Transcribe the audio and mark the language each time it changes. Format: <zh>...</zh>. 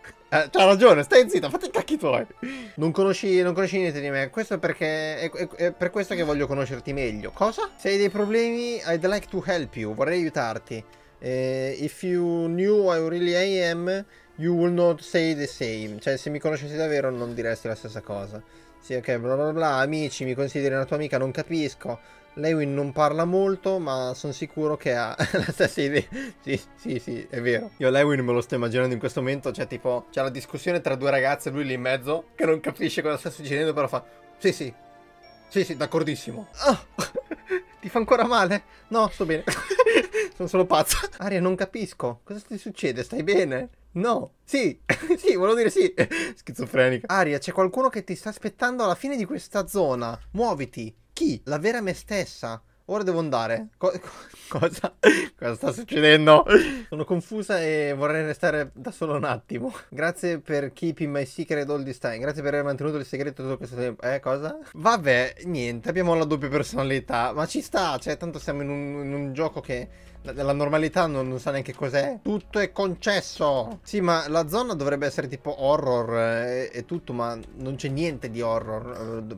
<it>C'ha ragione, stai zitta, fatti i cacchi tuoi. Non conosci niente di me. Questo perché, è per questo che voglio conoscerti meglio. Cosa? Se hai dei problemi,</it> <en>I'd like to help you.</en> <it>Vorrei aiutarti.</it> <en>If you knew who I really am, you would not say the same.</en> <it>Cioè, se mi conoscessi davvero, non diresti la stessa cosa. Sì, ok, bla bla bla. Amici, mi consideri una tua amica? Non capisco. Lewin non parla molto, ma sono sicuro che ha la stessa idea. Sì, è vero. Io Lewin me lo sto immaginando in questo momento. Cioè, tipo, c'è la discussione tra due ragazze, lui lì in mezzo, che non capisce cosa sta succedendo, però fa: sì. Sì, d'accordissimo. Ti fa ancora male? No, sto bene. Sono solo pazza. Aria, non capisco. Cosa ti succede? Stai bene? No. Sì. Sì, volevo dire sì. Schizofrenica. Aria, c'è qualcuno che ti sta aspettando alla fine di questa zona. Muoviti. Chi? La vera me stessa. Ora devo andare. Cosa? Cosa sta succedendo? Sono confusa e vorrei restare da solo un attimo. Grazie per</it> <en>keeping my secret all this time.</en> <it>Grazie per aver mantenuto il segreto tutto questo tempo. Cosa? Vabbè, niente. Abbiamo la doppia personalità. Ma ci sta. Cioè, tanto siamo in un gioco che la normalità non sa neanche cos'è. Tutto è concesso. Sì, ma la zona dovrebbe essere tipo horror e tutto, ma non c'è niente di horror.</it>